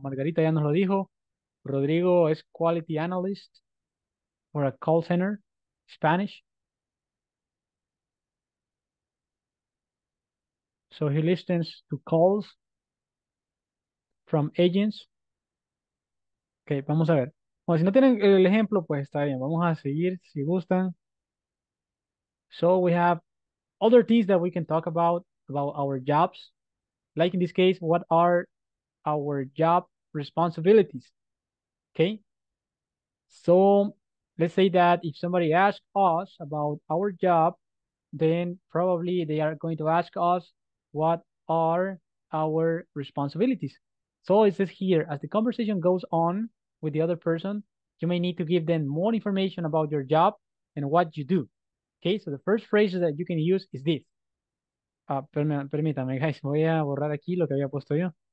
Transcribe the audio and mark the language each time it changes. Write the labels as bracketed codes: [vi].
[es] Margarita ya nos lo dijo. Rodrigo es [en] quality analyst for a call center, Spanish. So he listens to calls from agents. Okay, [es] vamos a ver. Bueno, si no tienen el ejemplo, pues está bien. Vamos a seguir si gustan. [en] So we have other things that we can talk about our jobs. Like in this case, what are our job responsibilities? Okay, so let's say that if somebody asks us about our job, then probably they are going to ask us what are our responsibilities. So it says here, as the conversation goes on with the other person, you may need to give them more information about your job and what you do. Okay, so the first phrase that you can use is this. [es] Permítame, guys, voy a borrar aquí lo que había puesto yo.